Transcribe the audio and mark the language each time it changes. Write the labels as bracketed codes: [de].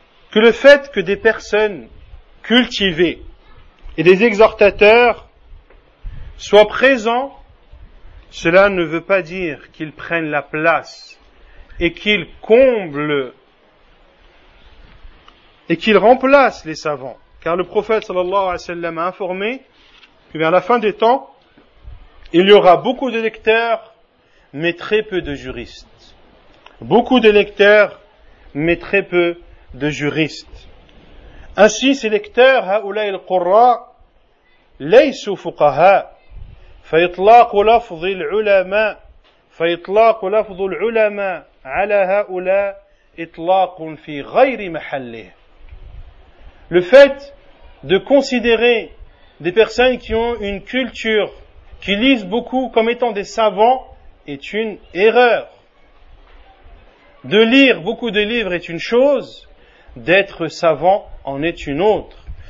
[fr] que le fait que des personnes cultivées et des exhortateurs soient présents, cela ne veut pas dire qu'ils prennent la place et qu'ils comblent et qu'ils remplacent les savants. Car le prophète sallallahu alayhi wa sallam a informé que vers la fin des temps, il y aura beaucoup de lecteurs, mais très peu de juristes. Beaucoup de lecteurs, mais très peu de juristes. Ainsi, ces lecteurs, [ar] هؤلاء القراء, ليسوا فقهاء, فإطلاق لفظ العلماء, فإطلاق لفظ العلماء على هؤلاء إطلاق في غير محله. [fr] Le fait de considérer des personnes qui ont une culture, qui lisent beaucoup comme étant des savants, est une erreur. De lire beaucoup de livres est une chose, d'être savant en est une autre.